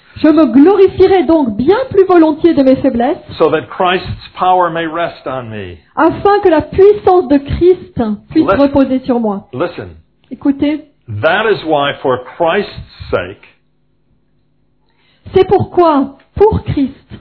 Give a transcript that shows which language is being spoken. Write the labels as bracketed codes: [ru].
[fr] Je me glorifierai donc bien plus volontiers de mes faiblesses. [en] So that Christ's power may rest on me. [fr] Afin que la puissance de Christ puisse reposer sur moi. [en] Listen. [fr] Écoutez. [en] That is why, for Christ's sake. [fr] C'est pourquoi, pour Christ.